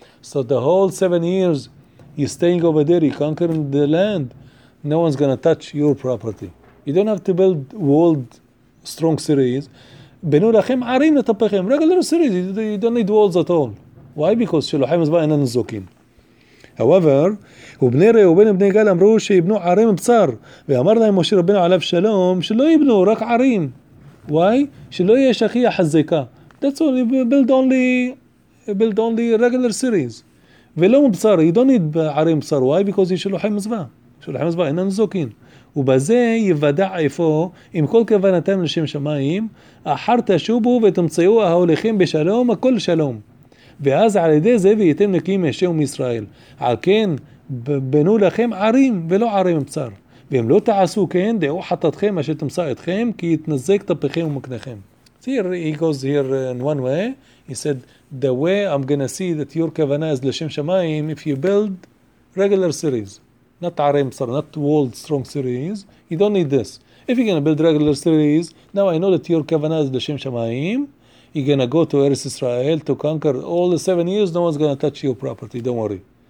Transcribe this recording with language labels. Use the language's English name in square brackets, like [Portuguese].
[English] So the whole 7 years, you're staying over there, you're conquering the land. No one's going to touch your property. You don't have to build walled strong cities. Regular cities, you don't need walls at all. Why? Because Shiluhim is buying and Zokim. [Hebrew] However, ובני ראובן ובני גל אמרו שיבנו ערים בצר, ואמר להם משה רבנו עליו שלום, שלא יבנו רק ערים. [English] Why? [Hebrew] שלא יהיה שכיה חזקה. [English] That's all, you build only regular cities. [Hebrew] ולא מבצר, [English] you don't need ערים בצר. Why? Because [Hebrew] יש שלוחי מזווה. שלוחי מזווה, אין לנו זוקין. ובזה יוודע איפה, עם כל כוונתם לשם שמיים, אחר תשובו ותמצאו ההולכים בשלום, הכל שלום. ואז על ידי זה ויתם נקיים מהשם מישראל. על כן, בנו לכם ערים ולא ערים בצר. ואם לא תעשו כן, דעו חטאתכם אשר תמצא אתכם, כי יתנזק תפיכם ומקנכם. [English] See, he goes here in one way. He said, the way I'm going to see that your kavana is לשם שמיים, if you build regular cities, not ערים בצר, not walled strong cities, you don't need this. If you're going to build regular cities, now I know that your kavana is לשם שמיים, you're going to go to Eretz Israel to conquer all the 7 years, no one's going to touch your property, don't worry.